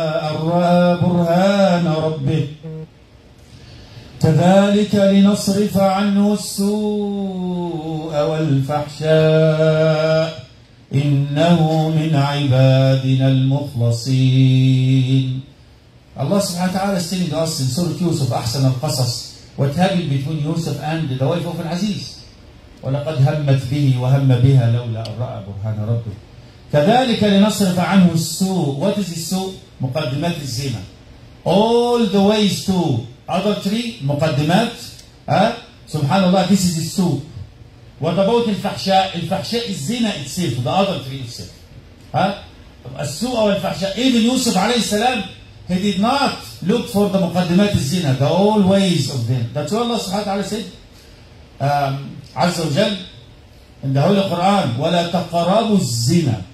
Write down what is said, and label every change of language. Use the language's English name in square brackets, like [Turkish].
[Arabic] أن رأى برهان ربه كذلك لنصرف عنه السوء والفحشاء إنه من عبادنا المخلصين. الله سبحانه وتعالى استند أصل سورة يوسف أحسن القصص. [English] What happened between Yusuf and the wife of Al-Aziz? [Arabic] وَلَقَدْ هَمَّتْ بِهِ وَهَمَّ بِهَا لَوْلَا أَرَّأَ بُرْهَانَ رَبِّهِ كَذَلِكَ لِنَصْرِفَ عَنْهُ السُّوءِ. [English] What is السُّوءِ? [Arabic] مقدمات الزنا. [English] All the ways to adultery, مقدمات. [Arabic] سبحان الله, [English] this is [Arabic] السُّوءِ. [English] What about الفحشاء? الفحشاء is الزنا itself, the adultery itself. [Arabic] السُّوءَ وَالْفَحْشَاءَ. [English] Even Yusuf عليه السلام, he did not look for the [Arabic] مقدمات الزنا, [English] the all ways of them. That's why Allah سبحانه وتعالى said, عز وجل, in the Holy Quran, [Arabic] وَلَا تَقَرَبُوا الزِّنَا.